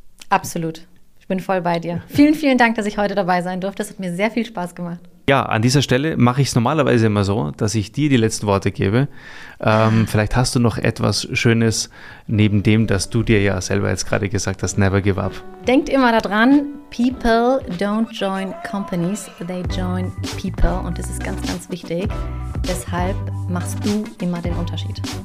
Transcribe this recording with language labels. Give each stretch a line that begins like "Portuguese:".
German: Absolut. Ich bin voll bei dir. Vielen, vielen Dank, dass ich heute dabei sein durfte. Das hat mir sehr viel Spaß gemacht. Ja, an dieser Stelle mache ich es normalerweise immer so, dass ich dir die letzten Worte gebe. Vielleicht hast du noch etwas Schönes neben dem, dass du dir ja selber jetzt gerade gesagt hast,
English: never give up.
German: Denkt immer daran,
English: people don't join companies, they join people.
German: Und das ist ganz, ganz wichtig. Deshalb machst du immer den Unterschied.